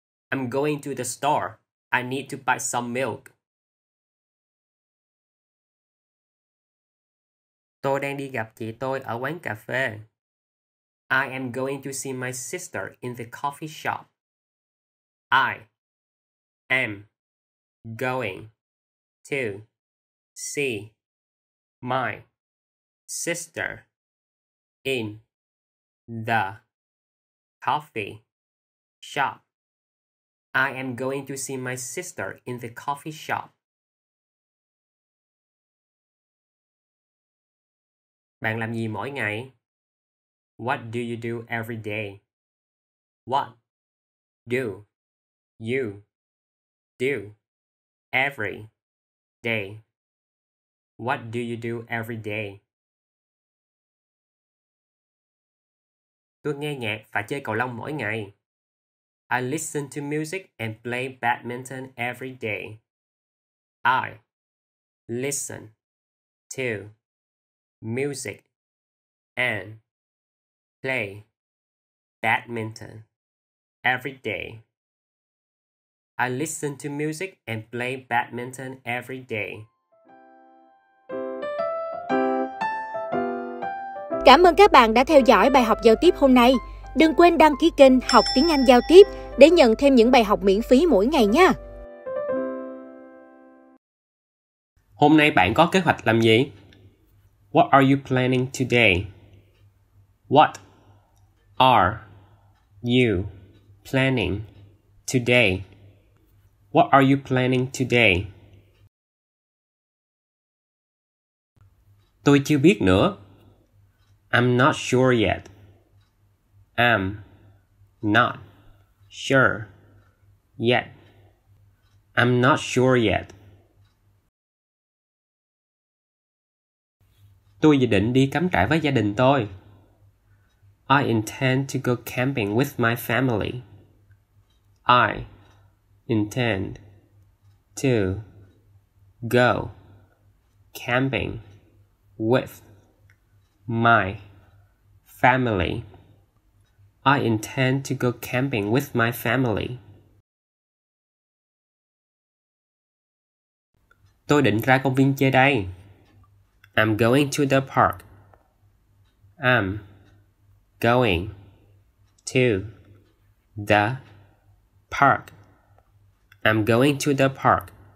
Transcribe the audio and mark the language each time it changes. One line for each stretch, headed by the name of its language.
English: I'm going to the store. I need to buy some milk.
Vietnamese: Tôi đang đi gặp chị tôi ở quán cà phê.
English: I am going to see my sister in the coffee shop. I am going to see my sister in the coffee shop. I am going to see my sister in the coffee shop.
Vietnamese: Bạn làm gì mỗi ngày?
English: What do you do every day? What do you do every day? What do you do every day?
Vietnamese: Tôi nghe nhạc và chơi cầu lông mỗi ngày.
English: I listen to music and play badminton every day. I listen to music and play badminton every day. I listen to music and play badminton every day.
Vietnamese: Cảm ơn các bạn đã theo dõi bài học giao tiếp hôm nay. Đừng quên đăng ký kênh Học Tiếng Anh Giao Tiếp để nhận thêm những bài học miễn phí mỗi ngày nha. Hôm nay bạn có kế hoạch làm gì?
English: What are you planning today? What are you planning today? What are you planning today?
Vietnamese: Tôi chưa biết nữa.
English: I'm not sure yet. I'm not sure yet. I'm not sure yet.
Vietnamese: Tôi dự định đi cắm trại với gia đình tôi.
English: I intend to go camping with my family. I intend to go camping with my family. I intend to go camping with my family.
Vietnamese: Tôi định ra công viên chơi đây.
English: I'm going to the park. I'm going to the park. I'm going to the park.